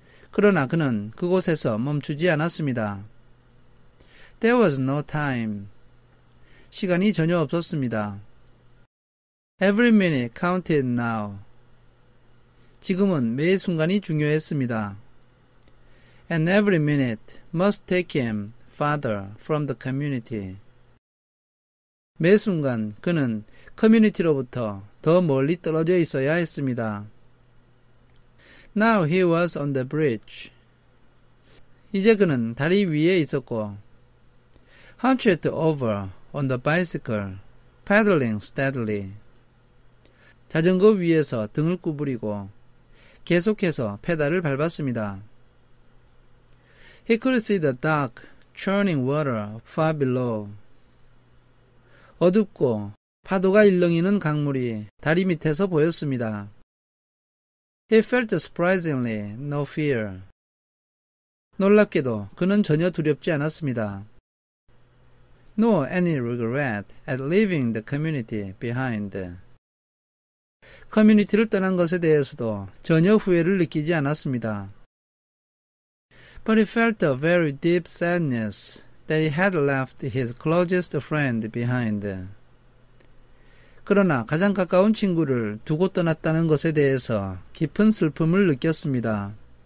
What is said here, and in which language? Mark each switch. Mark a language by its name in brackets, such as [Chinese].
[Korean] 그러나 그는 그곳에서 멈추지 않았습니다. [English] There was no time. [Korean] 시간이 전혀 없었습니다. [English] Every minute counted now. [Korean] 지금은 매 순간이 중요했습니다. [English] And every minute must take him farther from the community. [Korean] 매 순간 그는 커뮤니티로부터 더 멀리 떨어져 있어야 했습니다. [English] Now he was on the bridge. [Korean] 이제 그는 다리 위에 있었고 [English] Hunched over on the bicycle, paddling steadily. [Korean] 자전거 위에서 등을 구부리고 계속해서 페달을 밟았습니다. [English] He could see the dark, churning water far below. [Korean] 어둡고 파도가 일렁이는 강물이 다리 밑에서 보였습니다. [English] He felt surprisingly no fear. [Korean] 놀랍게도 그는 전혀 두렵지 않았습니다. [English] Nor any regret at leaving the community behind. [Korean] 커뮤니티를 떠난 것에 대해서도 전혀 후회를 느끼지 않았습니다. [English] But he felt a very deep sadness that he had left his closest friend behind. [Korean] 그러나 가장 가까운 친구를 두고 떠났다는 것에 대해서 깊은 슬픔을 느꼈습니다.